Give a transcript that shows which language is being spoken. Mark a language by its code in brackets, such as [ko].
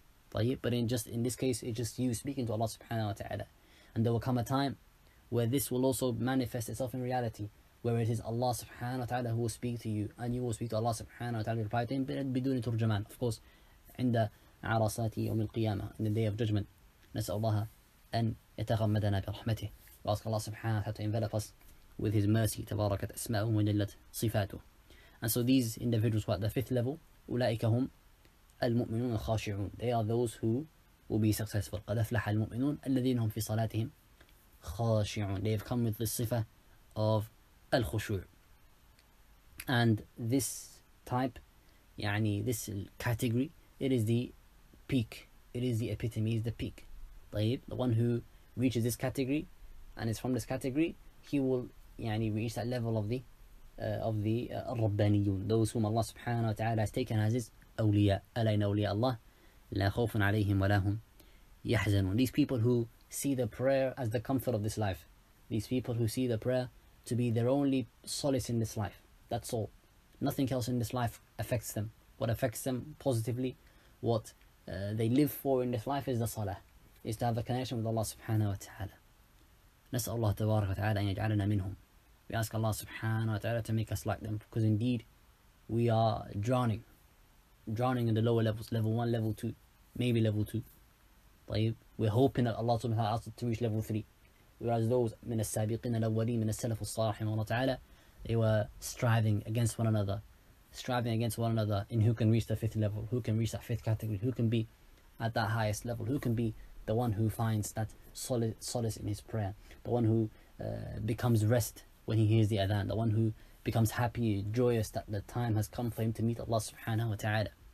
[en] But in this case, it's just you speaking to Allah subhanahu wa ta'ala. And there will come a time where this will also manifest itself in reality, where it is Allah subhanahu wa ta'ala who will speak to you, and you will speak to Allah subhanahu wa ta'ala in reply to him, [ar] بدون ترجمان. [en] Of course, [ar] عند عرصات يوم القيامة, [en] in the day of judgment. [ar] نسأل الله أن يتغمدنا برحمته. [en] We ask Allah subhanahu wa ta'ala to envelop us with his mercy, [ar] تبارك أسماءه وجلت صفاته. [en] And so these individuals were at the fifth level, [ar] أولئك هم المؤمنون الخاشعون. [en] They are those who will be successful. [ar] قد أفلح المؤمنون الذين هم في صلاتهم خاشعون. [en] They have come with the صفة of الخشوع. And this type, يعني this category, it is the peak. It is the epitome, it is the peak. طيب, the one who reaches this category and is from this category, he will يعني reach that level of the الربانيون those whom Allah subhanahu wa ta'ala has taken as his [ar] أولياء ألين أولياء الله لا خوف عليهم ولا هم يحزنون [en] these people who see the prayer as the comfort of this life these people who see the prayer to be their only solace in this life that's all nothing else in this life affects them what affects them positively what they live for in this life is the salah is to have a connection with Allah subhanahu wa ta'ala [ar] نسأل الله تبارك وتعالى أن يجعلنا منهم. [en] We ask Allah subhanahu wa ta'ala to make us like them. Because indeed, we are drowning. Drowning in the lower levels. Level 1, level 2. Maybe level 2. طيب. We're hoping that Allah subhanahu wa ta'ala asked us to reach level 3. Whereas those [ar] من السابقين الأولين من السلف الصالح رحمه الله تعالى, [en] they were striving against one another. Striving against one another in who can reach the fifth level. Who can reach that fifth category. Who can be at that highest level. Who can be the one who finds that solace in his prayer. The one who becomes rest when he hears the adhan. The one who becomes happy, joyous that the time has come for him to meet Allah subhanahu wa ta'ala.